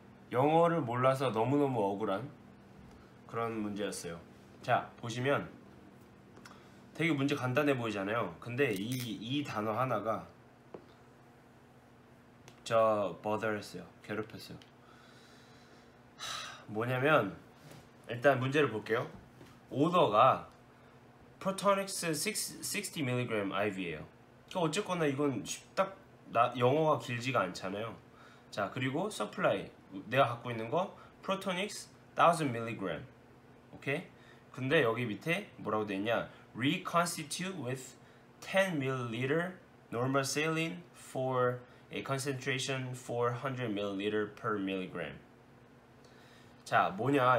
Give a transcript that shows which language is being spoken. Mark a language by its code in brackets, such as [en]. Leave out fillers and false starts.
[ko] 영어를 몰라서 너무너무 억울한 그런 문제였어요. 자, 보시면 되게 문제 간단해 보이잖아요. 근데 이 단어 하나가 저 bother했어요. 괴롭혔어요. 뭐냐면 일단 문제를 볼게요. 오더가 Protonix 60mg IV예요. 그러니까 어쨌거나 이건 딱 영어가 길지가 않잖아요. 자, 그리고 supply 내가 갖고 있는 거 Protonix 1000mg. 오케이? 근데 여기 밑에 뭐라고 돼 있냐? [en] Reconstitute with 10ml normal saline for a concentration 400ml per milligram. [ko] 자, 뭐냐?